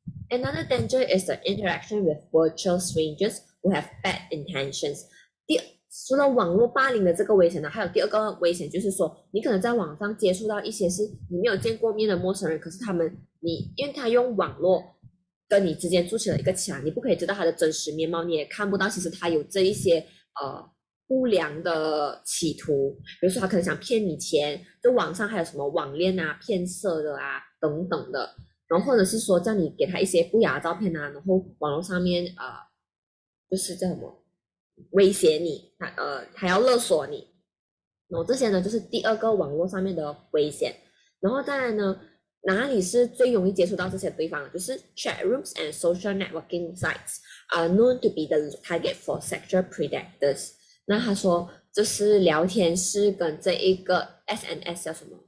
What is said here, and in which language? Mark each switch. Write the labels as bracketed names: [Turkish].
[English] Another danger is the interaction with virtual strangers who have bad intentions. [Chinese] 除了网络霸凌的这个危险呢，还有第二个危险，就是说你可能在网上接触到一些是你没有见过面的陌生人，可是他们你，因为他用网络跟你之间筑起了一个墙，你不可以知道他的真实面貌，你也看不到其实他有这一些不良的企图，比如说他可能想骗你钱，就网上还有什么网恋啊、骗色的啊等等的，然后或者是说叫你给他一些不雅的照片啊，然后网络上面就是叫什么？威胁你，他要勒索你，然后这些呢，就是第二个网络上面的危险。然后再来呢，哪里是最容易接触到这些地方呢？ [English] 就是 chat rooms and social networking sites are known to be the target for sexual predators。 [Chinese] 那他说，这是聊天室跟这一个 SNS 叫什么？